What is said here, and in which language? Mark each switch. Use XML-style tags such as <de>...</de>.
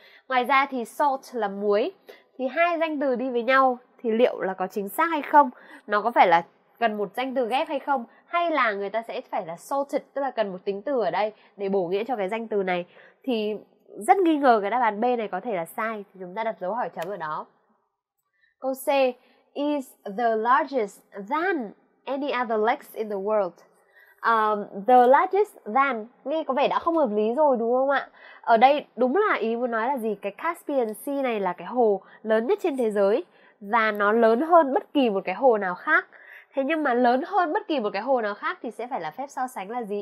<vi>Ngoài ra thì salt là muối, thì hai danh từ đi với nhau thì liệu là có chính xác hay không? Nó có phải là cần một danh từ ghép hay không? Hay là người ta sẽ phải là salted, tức là cần một tính từ ở đây để bổ nghĩa cho cái danh từ này? Thì rất nghi ngờ cái đáp án B này có thể là sai, thì chúng ta đặt dấu hỏi chấm ở đó.</vi> <en>Câu C, is the largest than any other lakes in the world? The largest than,</en> <vi>nghe có vẻ đã không hợp lý rồi đúng không ạ? Ở đây đúng là ý muốn nói là gì? Cái Caspian Sea này là cái hồ lớn nhất trên thế giới, và nó lớn hơn bất kỳ một cái hồ nào khác. Thế nhưng mà lớn hơn bất kỳ một cái hồ nào khác thì sẽ phải là phép so sánh là gì?</vi>